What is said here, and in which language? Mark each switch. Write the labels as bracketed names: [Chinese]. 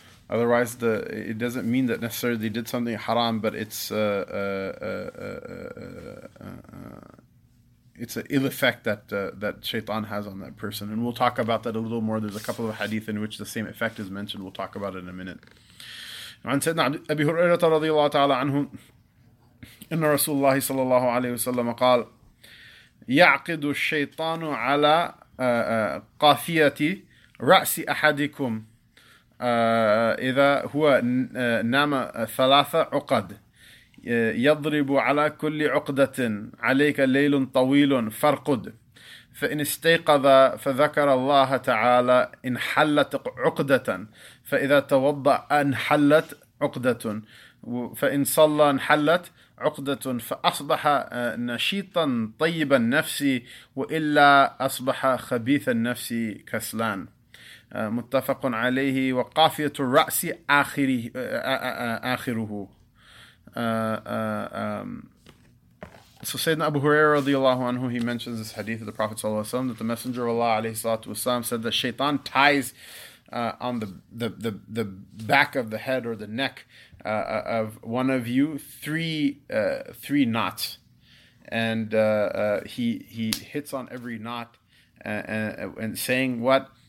[English] Otherwise, it doesn't mean that necessarily they did something haram, but it's an ill effect that shaitan has on that person. And we'll talk about that a little more. There's a couple of hadith in which the same effect is mentioned. We'll talk about it in a minute. [Arabic] عن سيدنا أبي هريرة رضي الله تعالى عنه إن رسول الله صلى الله عليه وسلم قال يعقد الشيطان على قافية رأس أحدكم إذا هو نام ثلاثة عقد يضرب على كل عقدة عليك ليل طويل فارقد فإن استيقظ فذكر الله تعالى إن حلت عقدة فإذا توضأ انحلت عقدة فإن صلى انحلت عقدة فأصبح نشيطا طيب النفس وإلا أصبح خبيث النفس كسلان متفق عليه وقافية الرأس آخره. [English] So Sayyidina Abu Huraira radiallahu anhu, he mentions this hadith of the Prophet sallallahu alayhi wa sallam, that the Messenger of Allah alayhi salatu wa sallam said that shaitan ties on the back of the head or the neck of one of you three knots, and he hits on every knot and saying what?